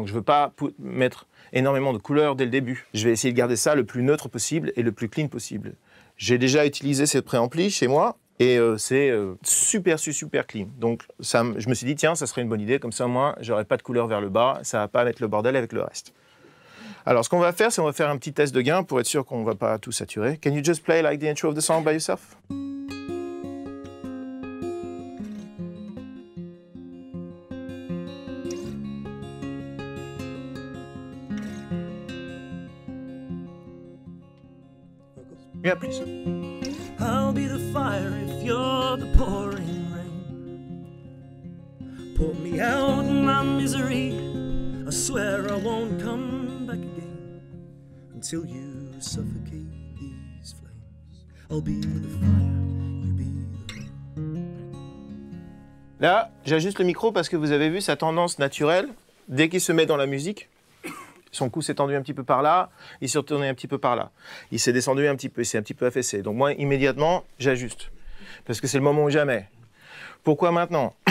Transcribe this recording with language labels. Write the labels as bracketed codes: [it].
[fr] Donc, je ne veux pas mettre énormément de couleurs dès le début. Je vais essayer de garder ça le plus neutre possible et le plus clean possible. J'ai déjà utilisé ces préamplis chez moi. Et c'est super, super clean. Donc, ça, je me suis dit, tiens, ça serait une bonne idée. Comme ça, moi, j'aurais pas de couleur vers le bas. Ça va pas mettre le bordel avec le reste. Alors, ce qu'on va faire, c'est on va faire un petit test de gain pour être sûr qu'on va pas tout saturer. [en] Can you just play like the intro of the song by yourself? Yeah, please. I'll be the fire if you're the pouring rain. Put me out in my misery. I swear I won't come back again until you suffocate these flames. I'll be the fire, you be the rain. [fr] Là, j'ajuste le micro parce que vous avez vu sa tendance naturelle dès qu'il se met dans la musique. Son cou s'est tendu un petit peu par là, il s'est retourné un petit peu par là. Il s'est descendu un petit peu, il s'est un petit peu affaissé. Donc moi, immédiatement, j'ajuste. Parce que c'est le moment ou jamais. Pourquoi maintenant?